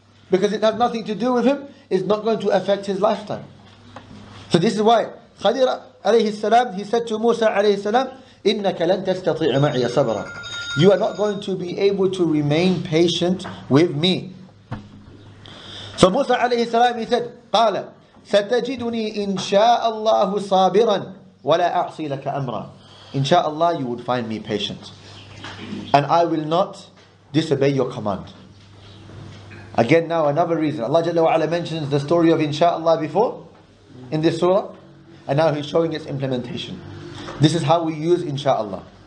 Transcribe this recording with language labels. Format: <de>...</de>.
<en>Because it has nothing to do with him, it's not going to affect his lifetime. So this is why Khadir alayhi salam, he said to Musa alayhi salam,</en> <ar>إِنَّكَ لَن تَسْتَطِعَ مَعِيَ صَبْرًا.</ar> <en>You are not going to be able to remain patient with me. So Musa alayhi salam, he said,</en> <ar>قَالَ سَتَجِدُنِي إِن شَاءَ اللَّهُ صَابِرًا وَلَا أَعْصِي لَكَ أَمْرًا.</ar> <en>Inshallah, you would find me patient. And I will not disobey your command. Again, now another reason. Allah Jalla wa'ala mentions the story of Insha'Allah before in this surah. And now he's showing its implementation. This is how we use Insha'Allah.</en>